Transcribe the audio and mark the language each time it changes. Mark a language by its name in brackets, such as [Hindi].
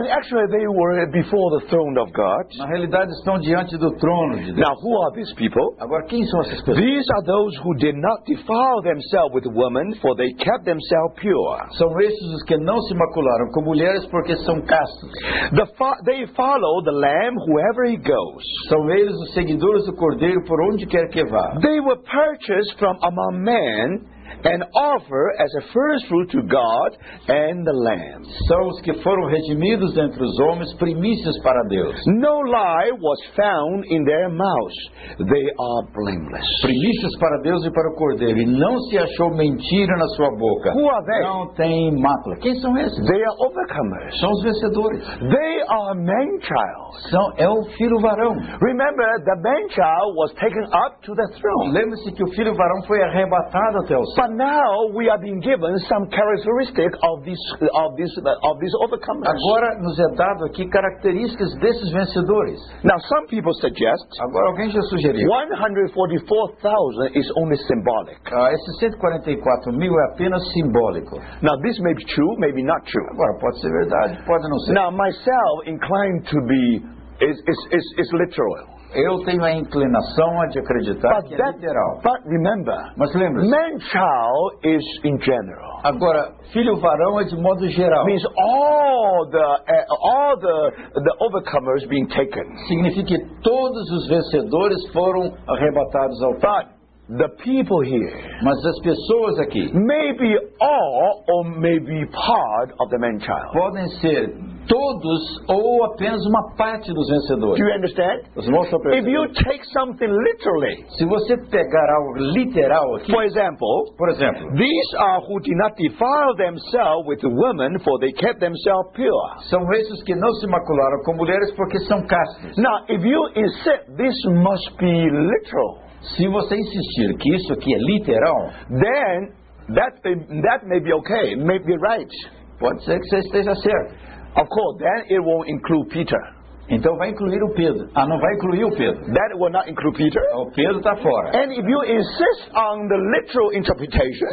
[English] And actually, they were before the throne of God. [Portuguese] Na realidade, estão diante do trono de Deus. [English] Now, who are these people? [Portuguese] Agora, quem são essas pessoas? [English] These are those who did not defile themselves with women, for they kept themselves pure. [Portuguese] São esses os que não se macularam com mulheres porque são castos. [English] They follow the Lamb wherever he goes. [Portuguese] São eles os seguidores do Cordeiro por onde quer que vá. [English] They were purchased from among men and offered as a first fruit to God and the Lamb. [Portuguese] São os que foram redimidos entre os homens, primícias para Deus. [English] No lie was found in their mouths. They are blameless. [Portuguese] Primícias para Deus e para o Cordeiro. E não se achou mentira na sua boca. [English] Who are they? [Portuguese] Não tem mácula. Quem são esses? [English] They are overcomers. [Portuguese] São os vencedores. [English] They are man child. [Portuguese] É o filho varão. [English] Remember, the man child was taken up to the throne. [Portuguese] Lembre-se que o filho varão foi arrebatado até o. [English] But now we are being given some characteristic of this overcomers. [Portuguese] Agora nos é dado aqui características desses vencedores. [English] Now some people suggest. [Portuguese] Agora alguém já sugeriu. [English] 144,000 is only symbolic. [Portuguese] Esse 144,000 é apenas simbólico. [English] Now this may be true, maybe not true. [Portuguese] Agora pode ser verdade, pode não ser. [English] Now myself inclined to be is literal. [Portuguese] Eu tenho a inclinação a de acreditar [English] but [Portuguese] que é literal. [English] But remember, [Portuguese] mas lembre-se, [English] man child is in general. [Portuguese] Agora, filho varão é de modo geral. [English] Means all the overcomers being taken. [Portuguese] Significa que todos os vencedores foram arrebatados ao pai. [English] The people here, [Portuguese] mas as pessoas aqui, [English] maybe all or maybe part of the man child. [Portuguese] Podem ser todos ou apenas uma parte dos vencedores. [English] Do you understand? If you take something literally, [Portuguese] se você pegar algo literal aqui, [English] for example, these are who did not defile themselves with women, for they kept themselves pure. [Portuguese] São esses que não se macularam com mulheres porque são castos. [English] Now, if you insist, this must be literal. [Portuguese] Se você insistir que isso aqui é literal, [English] then that may be okay, may be right. [Portuguese] Pode ser que você esteja certo. [English] Of course, then it will include Peter. [Portuguese] Então vai incluir o Pedro. Ah, não vai incluir o Pedro. [English] That will not include Peter. [Portuguese] O Pedro está fora. [English] And if you insist on the literal interpretation,